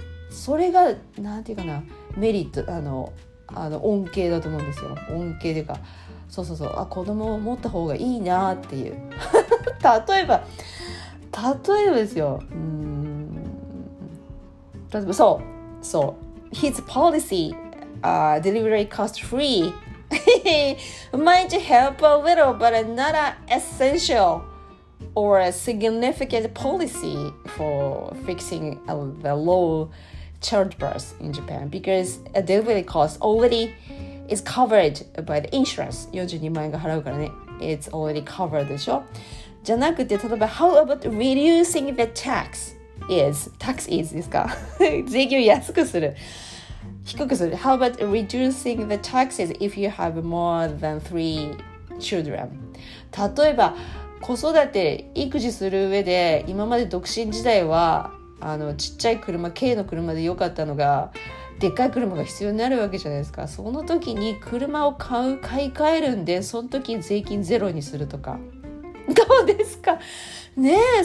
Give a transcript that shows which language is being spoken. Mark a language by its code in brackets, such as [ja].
[ja] それがなんていうかな、メリット、あの恩恵だと思うんですよ。恩恵でか、そうそうそう、あ、子供を持った方がいいなっていう。例えばですよ、うーん、例えばそう [en] His policy、delivery cost free might help a little but not an essential or a significant policy for fixing the low childbirth in Japan, because a delivery cost already is covered by the insurance. [ja] 42万円が払うからね、 [en] it's already covered [ja] でしょ。じゃなくて例えば [en] how about reducing the tax is [ja] tax is ですか税金を安くする低くする。 [en] How about reducing the taxes if you have more than three children? [ja] 例えば子育て育児する上で、今まで独身時代はあのちっちゃい車、軽の車で良かったのが、でっかい車が必要になるわけじゃないですか。その時に車を買う、買い替えるんで、その時税金ゼロにするとか、どうですかねえ。